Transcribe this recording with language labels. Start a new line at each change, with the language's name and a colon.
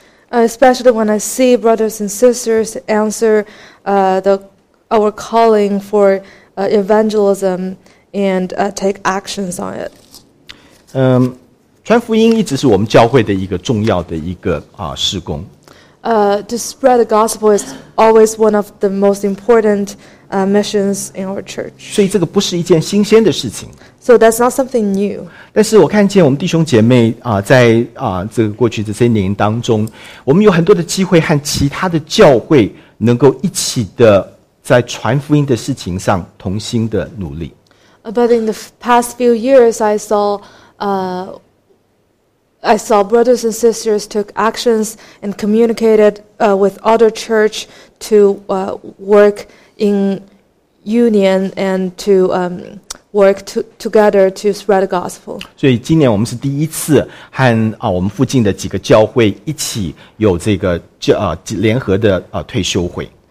English: Especially when I see brothers and sisters answer our calling for evangelism and take actions on it.
Chinese: 传福音一直是我们教会的一个重要的一个事工。
English: To spread the gospel is always one of the most important missions in our church.
Chinese: 所以这个不是一件新鲜的事情。
English: So that's not something new.
Chinese: 但是我看见我们弟兄姐妹在这个过去这些年当中，我们有很多的机会和其他的教会能够一起的在传福音的事情上同心的努力。
English: But in the past few years, I saw brothers and sisters took actions and communicated with other church to work in union and to work together to spread the gospel.
Chinese: 所以今年我们是第一次和我们附近的几个教会一起有这个联合的退休会。